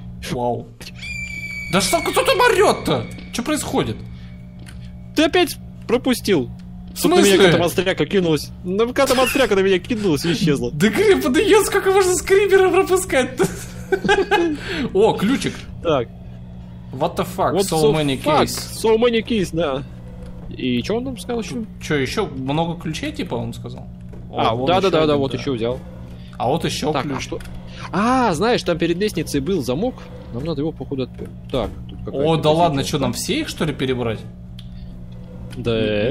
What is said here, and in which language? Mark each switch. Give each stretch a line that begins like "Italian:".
Russian: Вау. Да что, кто там орёт-то? Что происходит? Ты опять пропустил. В смысле? Тут на меня какая-то монстряка кинулась. Ну, какая-то монстряка на меня кинулась и исчезла. Да грипп, да ёс, сколько можно скрибера пропускать-то? О, ключик. Так.
English: What the fuck, so many keys. So many keys, да.
Russian: И чё он нам сказал ещё? Чё, ещё много ключей, типа, он сказал? А, да-да-да, вот ещё взял. А вот ещё ключ. А, знаешь, там перед лестницей был замок. Нам надо его, походу, отпереть. Так. О, да ладно, что, нам все их, что ли, перебрать? Да.